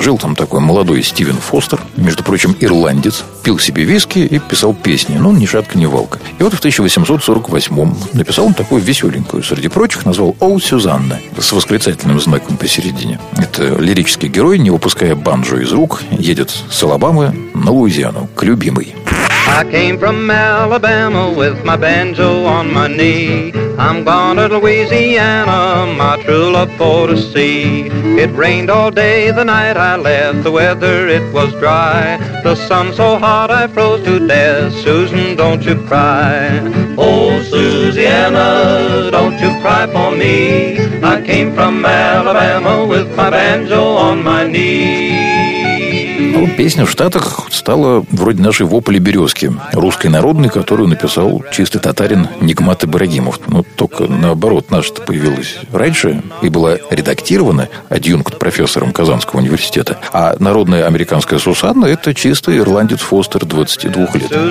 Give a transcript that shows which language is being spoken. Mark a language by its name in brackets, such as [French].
[Russian] Жил там такой молодой Стивен Фостер, между прочим, ирландец, пил себе виски и писал песни, ну, ни шатка, ни валка. И вот в 1848 написал он такую веселенькую, среди прочих, назвал «Оу, Сюзанна» с восклицательным знаком посередине. Это лирический герой, не выпуская банджо из рук, едет с Алабамы на Луизиану, к любимой. [English] I came from Alabama with my banjo on my knee. I'm gone to Louisiana, my true love for to see. It rained all day the night I left, the weather it was dry. The sun so hot I froze to death, Susan don't you cry. Oh Susanna, don't you cry for me. I came from Alabama with my banjo on my knee. [Russian] Ну, песня в Штатах стала вроде нашей «Вопли березки», русской народной, которую написал чистый татарин Нигмат Ибрагимов. Но только наоборот, наша-то появилась раньше и была редактирована адъюнкт-профессором Казанского университета. А народная американская «Сусанна» — это чистый ирландец Фостер, 22 лет.